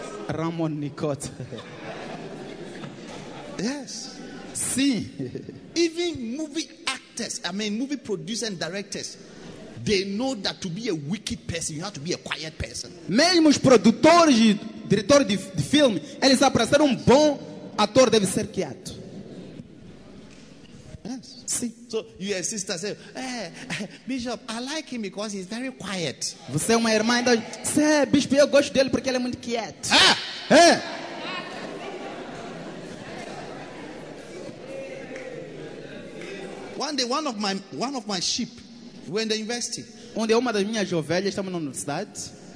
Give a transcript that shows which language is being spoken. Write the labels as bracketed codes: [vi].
[en] Ramon Nicota. Yes. See. Even movie actors, I mean movie producers and directors, they know that to be a wicked person, you have to be a quiet person. [pt] Mesmo os produtores e diretores de filme, eles sabem, para ser bom ator deve ser quieto. [en] Yes. [pt] Sim. [en] So your sister said, Bishop, I like him because he's very quiet. [pt] Você é uma irmã, então, Bispo, eu gosto dele porque ele é muito quieto. Ah! É. [en] One day, one of my sheep, we were in the university. [pt] Onde uma das minhas ovelhas, estamos na universidade.